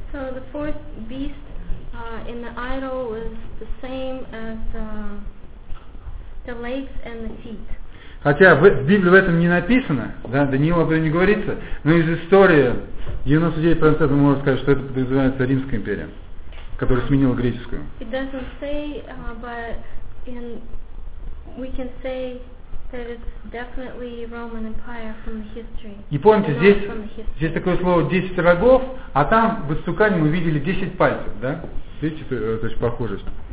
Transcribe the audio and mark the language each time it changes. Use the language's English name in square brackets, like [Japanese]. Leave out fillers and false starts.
[English] So the fourth beast in the idol is the same as the legs and the feet. [Russian] Хотя в Библии в этом не написано, да, Даниил об этом не говорится, но из истории 99% можно сказать, что это подразумевается Римская империя, которая сменила греческую. [English] It doesn't say, but in, we can say that it's definitely Roman Empire from the history. [Russian] И помните, здесь такое слово 10 рогов, а там в истукане мы видели 10 пальцев, да? Видите, то есть похожесть.